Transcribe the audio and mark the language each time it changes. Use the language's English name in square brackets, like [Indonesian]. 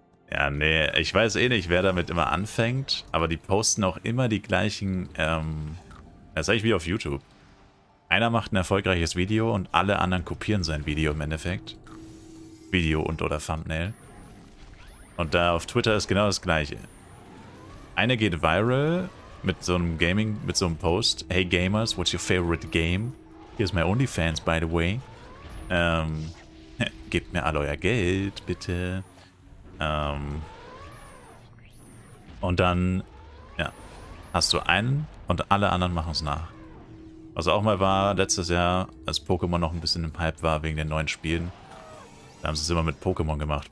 [German] Ja, nee, ich weiß eh nicht, wer damit immer anfängt, aber die posten auch immer die gleichen, das sage ich wie auf YouTube. Einer macht ein erfolgreiches Video und alle anderen kopieren sein Video im Endeffekt. Video und oder Thumbnail. Und da auf Twitter ist genau das gleiche. Eine geht viral mit so einem Gaming, mit so einem Post. [English] Hey Gamers, what's your favorite game? Here's my OnlyFans, by the way. [German] Gebt mir all euer Geld, bitte. Und dann, ja, hast du einen. Und alle anderen machen es nach. Was auch mal war, letztes Jahr, als Pokémon noch ein bisschen im Hype war, wegen den neuen Spielen, da haben sie es immer mit Pokémon gemacht.